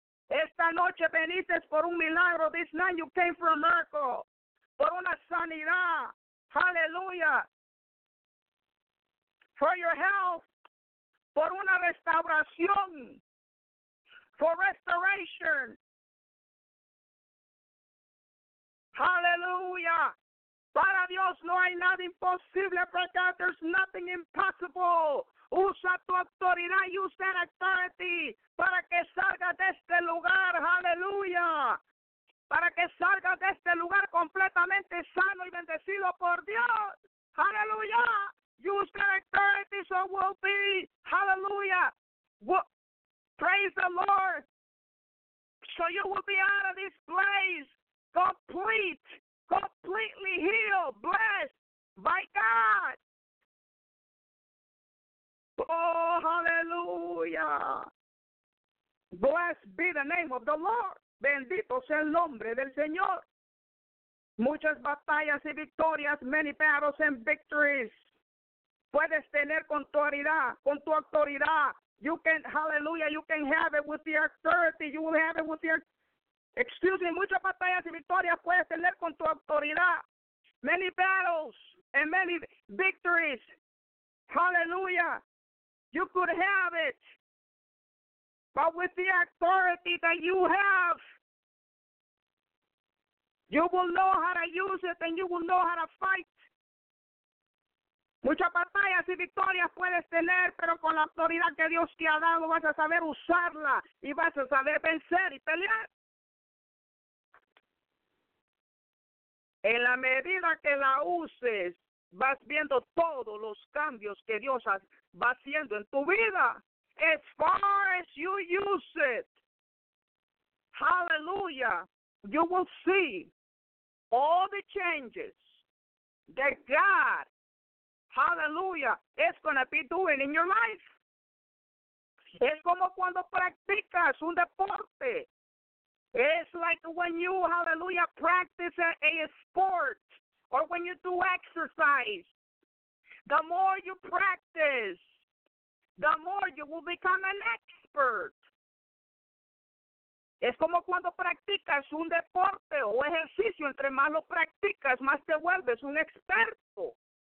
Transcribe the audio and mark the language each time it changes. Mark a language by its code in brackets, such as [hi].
[es] Esta noche veniste por un milagro. [en] This night you came for a miracle. [es] Por una sanidad. Hallelujah. [en] For your health. [es] Por una restauración, [en] for restoration, [es] hallelujah, para Dios Dios, no hay nada imposible para God. [en] There's nothing impossible. [es] Usa tu autoridad, [en] use that authority [es] para que salgas de este lugar, aleluya. Para que salgas de este lugar completamente sano y bendecido por Dios, aleluya. [en] Use that authority so it will be, aleluya. Praise the Lord. So you will be out of this place complete, completely healed, blessed by God. Oh, hallelujah. Blessed be the name of the Lord. [es] Bendito sea el nombre del Señor. Muchas batallas y victorias, [en] many battles and victories. [es] Puedes tener con tu autoridad. [en] You can, hallelujah, you can have it with your authority. You will have it with your, excuse me, [es] muchas batallas y victorias puedes tener con tu autoridad. [en] Many battles and many victories. Hallelujah. You could have it. But with the authority that you have, you will know how to use it and you will know how to fight. [es] Muchas batallas y victorias puedes tener, pero con la autoridad que Dios te ha dado vas a saber usarla y vas a saber vencer y pelear. En la medida que la uses, vas viendo todos los cambios que Dios va haciendo en tu vida. [en] As far as you use it, hallelujah, you will see all the changes that God, hallelujah, is going to be doing in your life. [es] Es como cuando practicas un deporte. [en] It's like when you, hallelujah, practice a sport or when you do exercise. The more you practice, the more you will become an expert. [es] Es como cuando practicas un deporte o ejercicio. Entre más lo practicas, más te vuelves un experto.